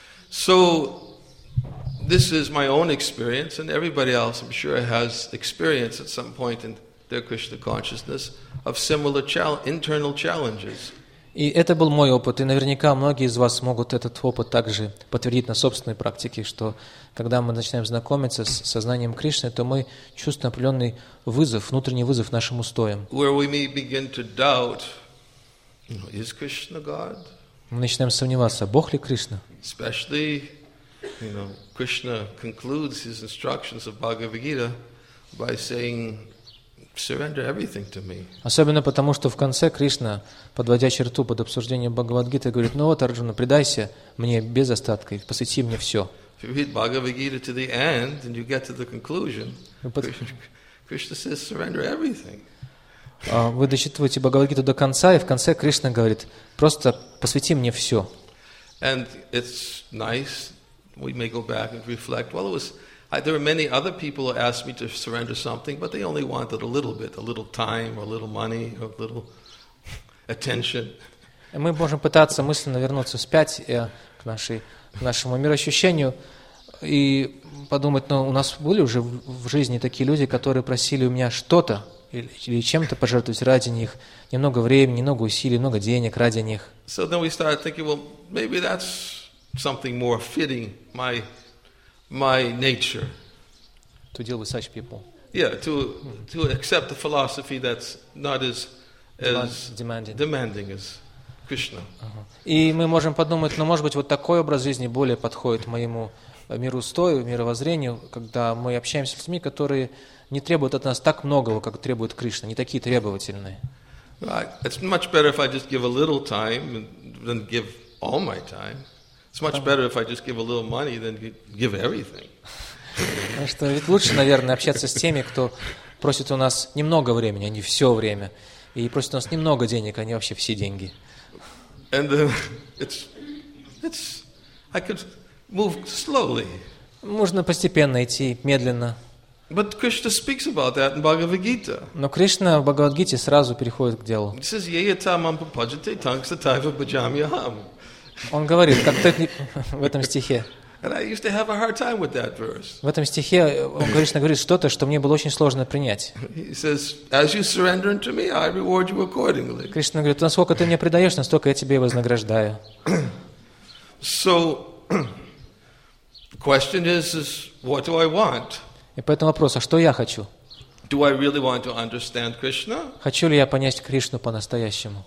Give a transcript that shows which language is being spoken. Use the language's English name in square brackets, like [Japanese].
[English] So this is my own experience, and everybody else, I'm sure, has experience at some point in their Krishna consciousness of similar internal challenges. [Russian] И это был мой опыт, и наверняка многие из вас могут этот опыт также подтвердить на собственной практике, что когда мы начинаем знакомиться с сознанием Кришны, то мы чувствуем определенный вызов, внутренний вызов нашим устоям. [English] Where we may begin to doubt, you know, is Krishna God? [Russian] Мы начинаем сомневаться, Бог ли Кришна? [English] Especially, you know, Krishna concludes his instructions of Bhagavad Gita by saying, surrender everything to me. [Russian] Особенно потому, что в конце Кришна, подводя черту под обсуждением Бхагавад-гиты, говорит: "Ну вот, Арджуна, предайся мне без остатка, посвяти мне все". [English] If you read Bhagavad-gita to the end and you get to the conclusion, Krishna says, "Surrender everything." [Russian] Вы дочитываете Бхагавад-гиту до конца, и в конце Кришна говорит: "Просто посвяти мне все". [English] And it's nice. We may go back and reflect. Well, it was. There were many other people who asked me to surrender something, but they only wanted a little bit, a little time, or a little money, or a little attention. [Russian] Мы можем пытаться мысленно вернуться вспять к нашему мироощущению и подумать, но у нас были уже в жизни такие люди, которые просили у меня что-то или чем-то пожертвовать ради них, немного времени, немного усилий, много денег ради них. [English] So then we started thinking, well, maybe that's something more fitting my nature. To deal with such people. Yeah, to accept a philosophy that's not as demanding as Krishna. [Russian] И мы можем подумать, ну, может быть, вот такой образ жизни более подходит моему мироустрою, мировоззрению, когда мы общаемся с людьми, которые не требуют от нас так многого, как требует Кришна, не такие требовательные. [English] Right. It's much better if I just give a little time than give all my time. It's much better if I just give a little money than give everything. [Russian] Что ведь лучше, наверное, общаться с теми, кто просит у нас немного времени, а не все время, и просит у нас немного денег, а не вообще все деньги. [English] And it's I could move slowly. [Russian] Можно постепенно идти, медленно. [English] But Krishna speaks about that in Bhagavad Gita. [Russian] Но Кришна в Бхагавад-гите сразу переходит к делу. [English] He says, [Sanskrit] "Yeyata mam papajate tangsatayva bhajamyaham." [Russian] Он говорит, как ты в этом стихе. [English] And I used to have a hard time with that verse. [Russian] В этом стихе Кришна говорит что-то, что мне было очень сложно принять. [English] He says, "As you surrender unto me, I reward you accordingly." [Russian] Кришна говорит, насколько ты мне предаешь, настолько я тебе и вознаграждаю. [English] So, question is what do I want? [Russian] И поэтому вопрос, а что я хочу? [English] Do I really want to understand Krishna? [Russian] Хочу ли я понять Кришну по-настоящему?